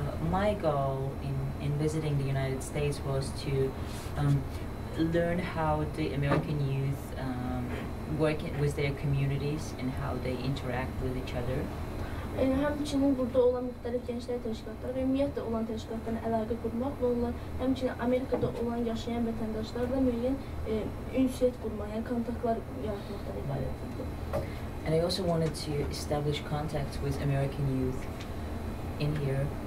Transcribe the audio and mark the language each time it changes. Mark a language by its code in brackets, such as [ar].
[en] My goal in visiting the United States was to learn how the American youth work with their communities and how they interact with each other. [az] Həmçinin burada olan müxtəlif gənclər təşkilatları və ümumiyyətlə olan təşkilatlarla əlaqə qurmaq və onlar həmçinin Amerikada olan yaşayan vətəndaşlarla müəyyən ünsiyyət qurmaq, yəni kontaktlar yaratmaqdan ibarətdir. [en] And I also wanted to establish contact with American youth in here.